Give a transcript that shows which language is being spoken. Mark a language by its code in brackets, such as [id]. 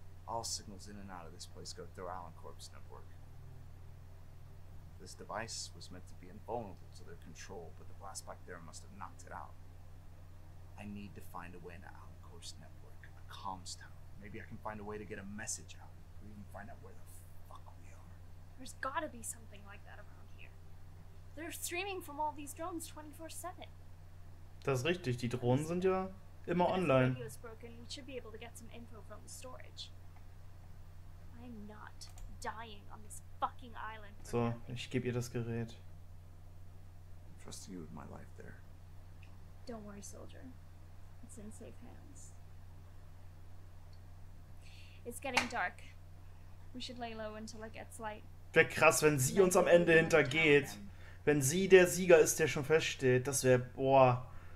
[en] All signals in and out of this place go through Alancorp's network. This device was meant to be invulnerable to their control, but the blast back there must have knocked it out. I need to find a way into Alcor's network, a comms tower. Maybe I can find a way to get a message out, or even find out where the fuck we are. There's gotta be something like that around here. They're streaming from all these drones 24/7. [de] Das ist richtig, die Drohnen sind ja immer online. [en] If the radio is broken, we should be able to get some info from the storage. I'm not dying on this fucking island. [de] So, ich gebe ihr das Gerät. [en] I'm trusting you with my life there. Don't worry, soldier. It's in safe hands. It's getting dark. We should lay low until it gets light. [de] Wäre krass, wenn sie uns am Ende hintergeht. Wenn sie der Sieger ist, der schon feststeht. Das wäre, boah.